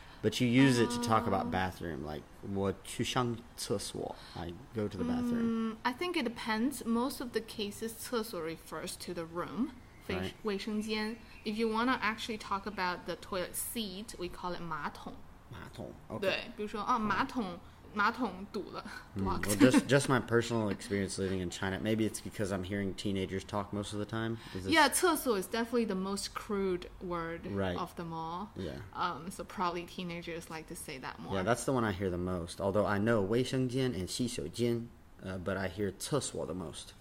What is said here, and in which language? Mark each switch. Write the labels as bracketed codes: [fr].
[en] But you use it to talk about bathroom, like [zh] 我去上厕所, [en] I go to the bathroom. I think it depends. Most of the cases, 厕所 refers to the room, 卫生间. Right. If you want to actually talk about the toilet seat, we call it 马桶. 马桶, okay. [zh] 对,比如说, 马桶, 马桶堵了, [en] Well, just my personal experience living in China, maybe it's because I'm hearing teenagers talk most of the time. Yeah, 厕所 is definitely the most crude word of them all. Yeah. So probably teenagers like to say that more. Yeah, that's the one I hear the most. Although I know 卫生间 and 洗手间, but I hear 厕所 the most.